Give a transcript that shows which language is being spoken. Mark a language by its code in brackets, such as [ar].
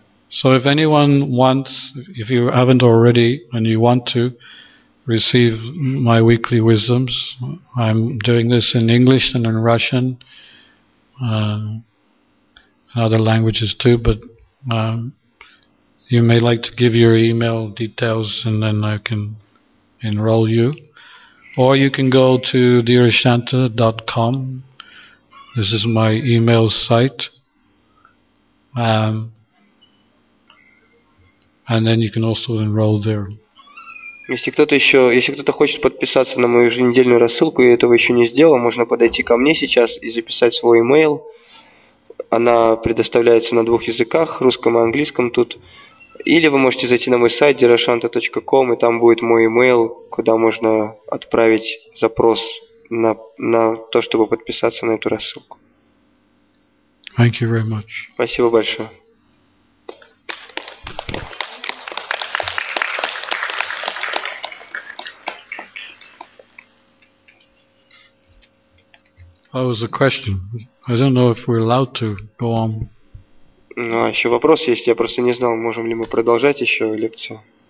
[en] So if anyone wants, if you haven't already and you want to receive my weekly wisdoms, I'm doing this in English and in Russian, and other languages too, but you may like to give your email details and then I can enroll you. Or you can go to dearashanta.com. This is my email site. And then you can also enroll there. [ru] Если кто-то еще, если кто-то хочет подписаться на мою еженедельную рассылку и этого еще не сделал, можно подойти ко мне сейчас и записать свой email. Она предоставляется на двух языках, русском и английском тут. Или вы можете зайти на мой сайт dearashanta.com, и там будет мой email, куда можно отправить запрос на то, чтобы подписаться на эту рассылку. [en] Thank you very much. [ru] Спасибо большое. [en] That was a question. I don't know if we're allowed to go on. [ru] Ну, а еще вопрос есть. Я просто не знал, можем ли мы продолжать еще лекцию.